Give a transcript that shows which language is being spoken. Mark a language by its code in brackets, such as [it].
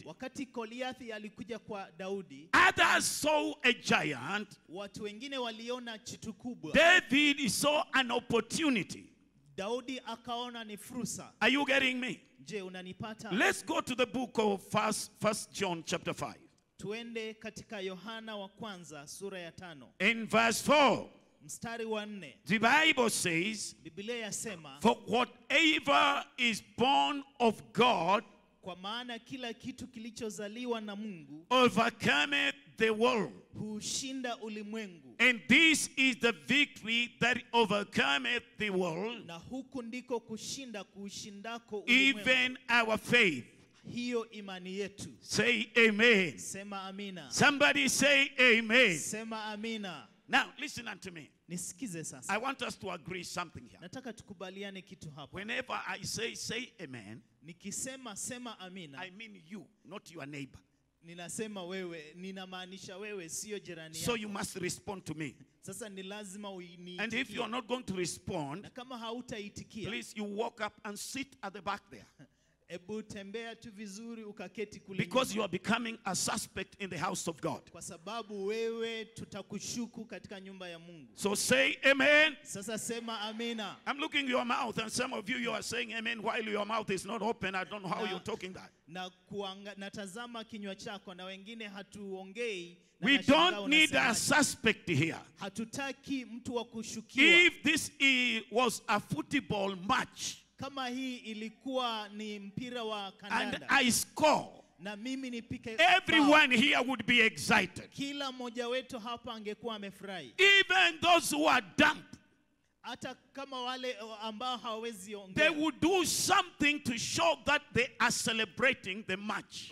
[sw] wakati Goliath alikuja kwa Daudi, [en] others saw a giant. [sw] Watu wengine waliona chitu kubwa. [en] David saw an opportunity. [sw] Daudi akaona ni fursa. [en] Are you getting me? [sw] Je, unanipata? [en] Let's go to the book of First John chapter 5. [sw] Tuende katika Yohana wa kwanza sura ya 5. [en] In verse 4. [sw] Mstari wa 4. [en] The Bible says, [sw] Biblia yasema, [en] for whatever is born of God, [sw] kwa maana kila kitu kilichozaliwa na Mungu, [en] overcometh the world. [sw] Hushinda ulimwengu. [en] And this is the victory that overcometh the world. [sw] Na huku ndiko kushinda kushindako ulimwengu. [en] Even our faith. [sw] Hiyo imani yetu. [en] Say amen. [sw] Sema amina. [en] Somebody say amen. [sw] Sema amina. [en] Now listen unto me. [sw] Nisikize sasa. [en] I want us to agree something here. [sw] Nataka tukubaliane kitu hapa. [en] Whenever I say amen, [sw] nikisema sema amina, [en] I mean you, not your neighbor. [sw] Ninasema wewe, ninamaanisha wewe, sio jirani yako. [en] So you must respond to me. [sw] Sasa ni lazima uniitikie. [en] And if you are not going to respond, [sw] na kama hautaitikia, [en] please you walk up and sit at the back there. [sw] Ebu tembea tu vizuri ukaketi kule. [en] Because you are becoming a suspect in the house of God. [sw] Kwa sababu wewe tutakushuku katika nyumba ya Mungu. [en] So say amen. [sw] Sasa sema amina. [en] I'm looking your mouth and some of you are saying amen while your mouth is not open. I don't know how you're talking that. [sw] Na kuanga natazama kinywa chako na wengine hatuongei. [en] We don't need a suspect here. [sw] Hatutaki mtu wa kushukiwa. [en] If this was a football match, [sw] kama hii ilikuwa ni mpira wa kandanda, [en] and I score, [sw] na mimi nipike, [en] everyone here would be excited. [sw] Kila mmoja wetu hapa angekuwa amefurahi. [en] Even those who are dumb, [sw] hata kama wale ambao hawezi ongea, [en] they would do something to show that they are celebrating the match.